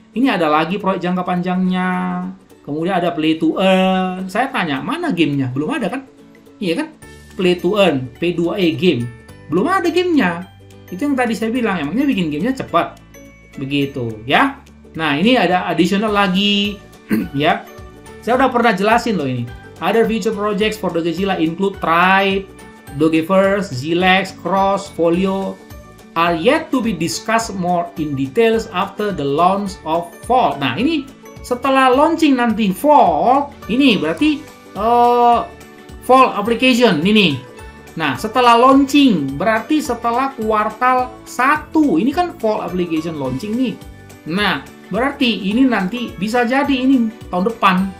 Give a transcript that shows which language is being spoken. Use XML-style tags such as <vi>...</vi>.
<id>Ini ada lagi proyek jangka panjangnya. Kemudian ada Play to Earn. Saya tanya, mana gamenya? Belum ada kan? Iya kan? Play to Earn, P2E game. Belum ada gamenya. Itu yang tadi saya bilang, emangnya bikin gamenya cepat. Begitu ya. Nah ini ada additional lagi. Ya. Saya udah pernah jelasin loh ini.</id> <en>Other future projects for Dogezilla include Tribe, Dogeverse, Zilex, Cross, Folio are yet to be discussed more in details after the launch of Vault.</en> <id>Nah, ini setelah launching nanti Vault, ini berarti Vault application, ini. Nah, setelah launching, berarti setelah kuartal 1, ini kan Vault application launching nih. Nah, berarti ini nanti bisa jadi ini tahun depan.</id>